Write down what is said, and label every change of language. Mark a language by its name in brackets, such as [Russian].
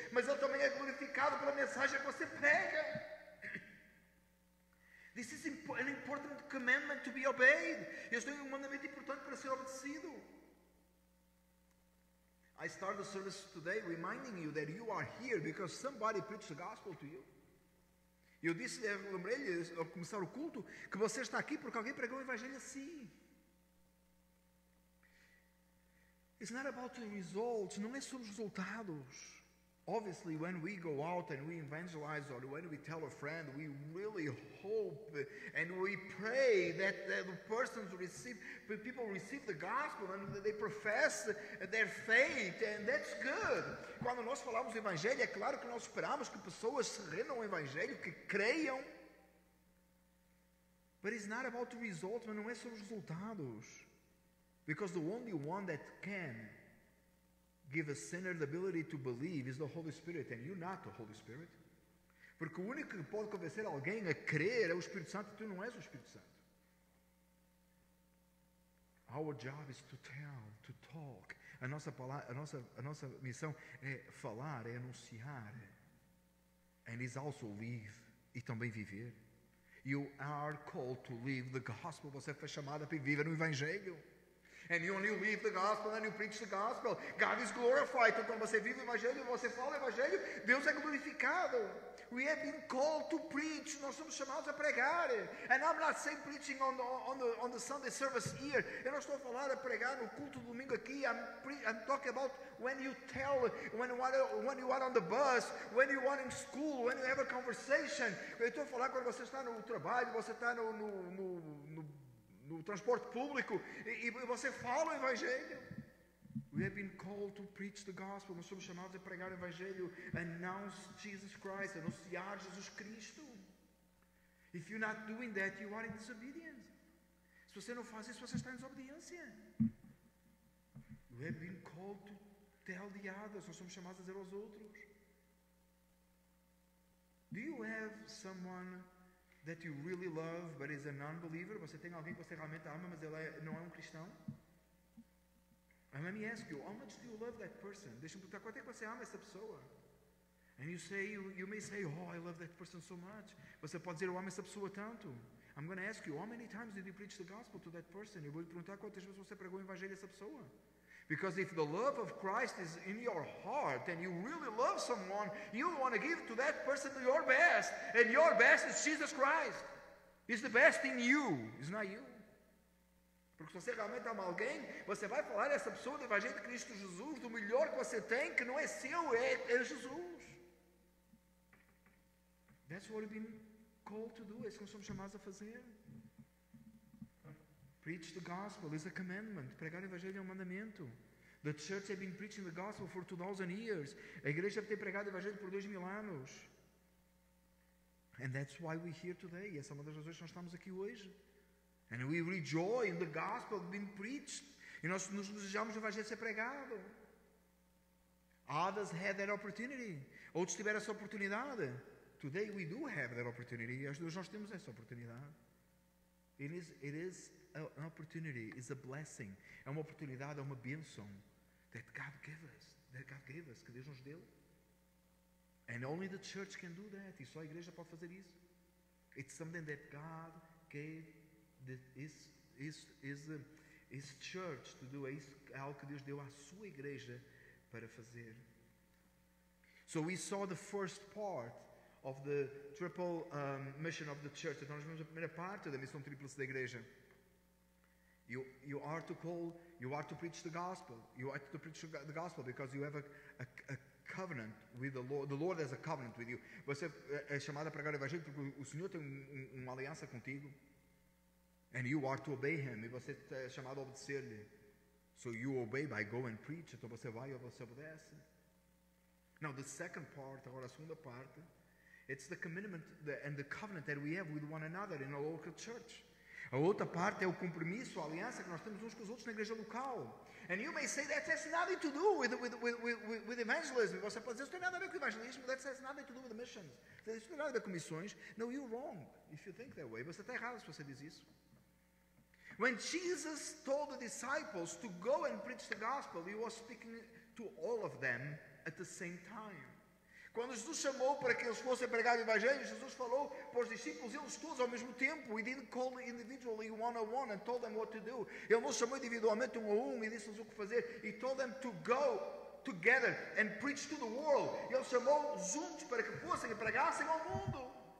[Portuguese] Mas ele também é glorificado pela mensagem que você prega. [English] This is an important commandment to be obeyed. [Portuguese] Este é um mandamento importante para ser obedecido. [English] I start the service today reminding you that you are here because somebody preached the gospel to you. [Portuguese] Eu disse, lembrei-lhe ao começar o culto, que você está aqui porque alguém pregou o evangelho a si. [English] It's not about the results, [Portuguese] não é sobre os resultados. [English] Obviously, when we go out and we evangelize, or when we tell a friend, we really hope and we pray that the persons receive, the people receive the gospel and they profess their faith, and that's good. [Portuguese] Quando nós falamos do evangelho, é claro que nós esperamos que pessoas se rendam ao evangelho, que creiam. [English] But it's not about the results, [Portuguese] mas não é sobre os resultados. [English] Because the only one that can give a sinner the ability to believe is the Holy Spirit, and you're not the Holy Spirit. [Portuguese] Porque o único que pode convencer alguém a crer é o Espírito Santo, e tu não és o Espírito Santo. [English] Our job is to tell, to talk. [Portuguese] A nossa missão é falar, é anunciar. [English] And is also live, [Portuguese] e também viver. [English] You are called to live the gospel. [Portuguese] Você foi chamada para viver no evangelho. [English] And you only live the gospel and you preach the gospel. God is glorified. [Portuguese] Então, quando você vive o evangelho, você fala o evangelho, Deus é glorificado. [English] We have been called to preach. [Portuguese] Nós somos chamados a pregar. [English] And I'm not saying preaching on the Sunday service here. [Portuguese] Eu não estou a falar a pregar no culto do domingo aqui. [English] I'm talking about when you tell, when you are on the bus, when you are in school, when you have a conversation. [Portuguese] Eu estou a falar quando você está no trabalho, você está no transporte público, e você fala o evangelho. [English] We have been called to preach the gospel. [Portuguese] Nós somos chamados a pregar o evangelho. [English] Announce Jesus Christ. [Portuguese] Anunciar Jesus Cristo. [English] If you're not doing that, you are in disobedience. [Portuguese] Se você não faz isso, você está em desobediência. [English] We have been called to tell the others. [Portuguese] Nós somos chamados a dizer aos outros. [English] Do you have someone that you really love, but is a non-believer? [Portuguese] Você tem alguém que você realmente ama, mas ele não é cristão? [English] And let me ask you, how much do you love that person? [Portuguese] Deixa-me perguntar, quanto é que você ama essa pessoa? [English] And you say, you may say, oh, I love that person so much. [Portuguese] Você pode dizer, eu amo essa pessoa tanto. [English] I'm going to ask you, how many times did you preach the gospel to that person? [Portuguese] Eu vou lhe perguntar, quantas vezes você pregou o evangelho a essa pessoa? [English] Because if the love of Christ is in your heart and you really love someone, you want to give to that person your best. And your best is Jesus Christ. He's the best in you. It's not you. [Portuguese] Porque se você realmente ama alguém, você vai falar a essa pessoa do evangelho de Cristo Jesus, do melhor que você tem, que não é seu, é Jesus. [English] That's what we've been called to do. [Portuguese] É isso que nós somos chamados a fazer. [English] Preach the gospel is a commandment. [Portuguese] Pregar o evangelho é um mandamento. [English] The church has been preaching the gospel for 2,000 years. [Portuguese] A igreja tem pregado o evangelho por 2,000 anos. [English] And that's why we're here today. [Portuguese] Essa é uma das razões que nós estamos aqui hoje. [English] And we rejoice in the gospel being preached. [Portuguese] E nós nos desejamos o evangelho ser pregado. [English] Others had that opportunity. [Portuguese] Outros tiveram essa oportunidade. [English] Today we do have that opportunity. [Portuguese] E hoje nós temos essa oportunidade. [English] It is an opportunity, is a blessing. [Portuguese] É uma oportunidade, é uma bênção [English] that God gave us, [Portuguese] que Deus nos deu. [English] And only the church can do that. [Portuguese] E só a igreja pode fazer isso. [English] It's something that God gave his church to do. [Portuguese] É algo que Deus deu à sua igreja para fazer. [English] So we saw the first part of the triple mission of the church. [Portuguese] Então nós vimos a primeira parte da missão tríplice da igreja. [English] You are to preach the gospel. You are to preach the gospel because you have a covenant with the Lord. The Lord has a covenant with you. [Portuguese] Você é chamado a pregar o evangelho porque o Senhor tem uma aliança contigo. [English] And you are to obey Him. [Portuguese] E você é chamado a obedecer-lhe. [English] So you obey by go and preach. [Portuguese] Então você vai e você obedece. [English] Now the second part, [Portuguese] agora a segunda parte, [English] it's the commitment and the covenant that we have with one another in a local church. [Portuguese] A outra parte é o compromisso, a aliança que nós temos uns com os outros na igreja local. [English] And you may say that has nothing to do with evangelism. [Portuguese] Você pode dizer, isso tem nada a ver com evangelismo. [English] That has nothing to do with the missions. [Portuguese] Isso tem nada a ver com missões. [English] No, you're wrong if you think that way. [Portuguese] Você está errado se você diz isso. [English] When Jesus told the disciples to go and preach the gospel, he was speaking to all of them at the same time. [Portuguese] Quando Jesus chamou para que eles fossem pregar o evangelho, Jesus falou para os discípulos, eles todos ao mesmo tempo. [English] He didn't call individually one on one and told them what to do. [Portuguese] Ele não chamou individualmente um a um e disse-lhes o que fazer. [English] He told them to go together and preach to the world. [Portuguese] Ele chamou juntos para que fossem e pregassem ao mundo.